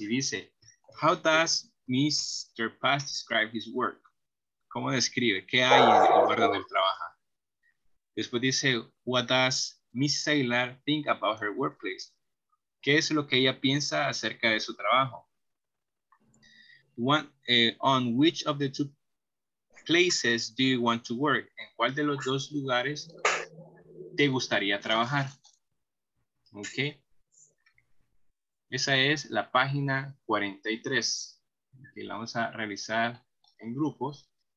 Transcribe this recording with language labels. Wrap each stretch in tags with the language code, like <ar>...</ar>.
<es>Y dice,</es> <en>how does Mr. Paz describe his work?</en> <es>¿Cómo describe? ¿Qué hay en el lugar donde él trabaja? Después dice,</es> <en>what does Mrs.</en> <es>Aguilar</es> <en>think about her workplace?</en> <es>¿Qué es lo que ella piensa acerca de su trabajo?</es> <en>On which of the two places do you want to work?</en> <es>¿En cuál de los dos lugares te gustaría trabajar? Ok. Esa es la página 43. Y la vamos a realizar en grupos.</es>